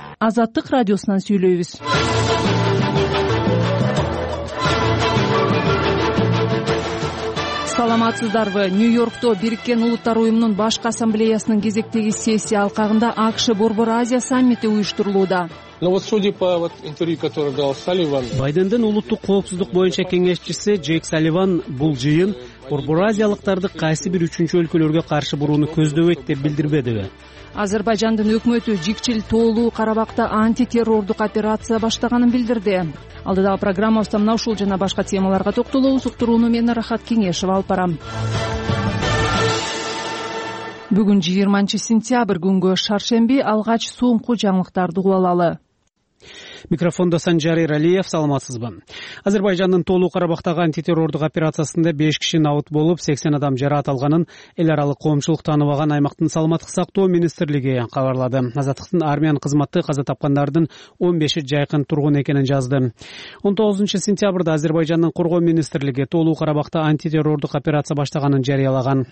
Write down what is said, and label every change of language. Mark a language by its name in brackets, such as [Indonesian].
[Kyrgyz] Азаттык радиосунан сүйлөйбүз. Саламатсыздарбы? Нью-Йоркто Бириккен Улуттар Уюмунун башкы ассамблеясынын кезектеги сессия алкагында АКШ Борбор Азия саммити уюштурулууда. [Russian] Но вот судя по вот интервью, которое дал Салливан. [Kyrgyz] Байдендин улуттук коопсуздук боюнча кеңешчиси Джейк Салливан бул жыйын Борбор Азиялыктарды кайсы бир үчүнчү өлкөлөргө каршы бурууну көздөбөйт деп билдирбедиби? Азербайджандын өкмөтү Жикчил Тоолуу Карабакта антитеррордук операция баштаганын билдирди. Алдыдагы программабызда мына ушул жана башка темаларга токтолобуз. Уктурууну мен Рахат Кеңешов алып барам. Бүгүн 20-сентябрь күнгө шаршемби, алгач соңку жаңылыктарды кулалалы. Микрофондо Санжар Эралиев, саламатсызбы. Азербайджандын Тоолуу Карабактагы антитеррордук операциясында 5 киши наут болуп, 80 адам жараат алганын эл аралык коомчулук тааныбаган аймактын саламаттык сактоо министрлиги кабарлады. Азаттыктын армиянын кызматы каза тапкандардын 15 жакын тургун экенин жазды. 19 сентябрда Азербайджандын коргоо министрлиги Тоолуу Карабакта антитеррордук операция баштаганын жарыялаган.